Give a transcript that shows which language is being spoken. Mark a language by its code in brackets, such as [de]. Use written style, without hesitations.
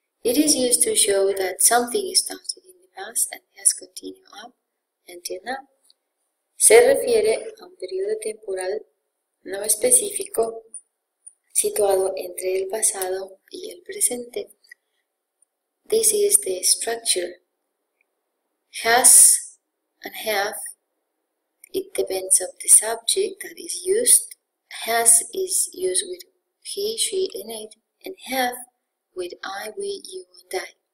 [en] It is used to show that something started in the past and has continued up until now. [es] Se refiere a un periodo temporal no específico situado entre el pasado y el presente. [en] This is the structure. Has and have, it depends on the subject that is used. Has is used with he, she, and it, and have with I, we, you, and I.